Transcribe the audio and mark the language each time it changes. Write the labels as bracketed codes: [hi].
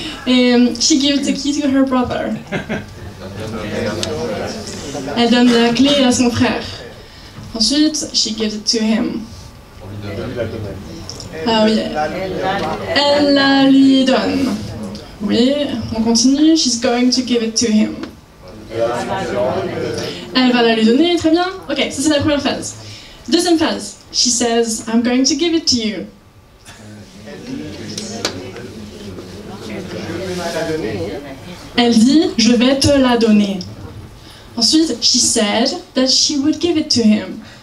[en] Et she gives the key to her brother. [fr] Elle donne la clé à son frère. [en] Ensuite, she gives it to him. [fr] Ah oui. Elle la lui donne. Oui, on continue. [en] She's going to give it to him. [fr] Elle va la lui donner, très bien. Ok, ça c'est la première phase. Deuxième phase. [en] She says, I'm going to give it to you. [fr] Elle dit, je vais te la donner. [en] Ensuite, she said that she would give it to him.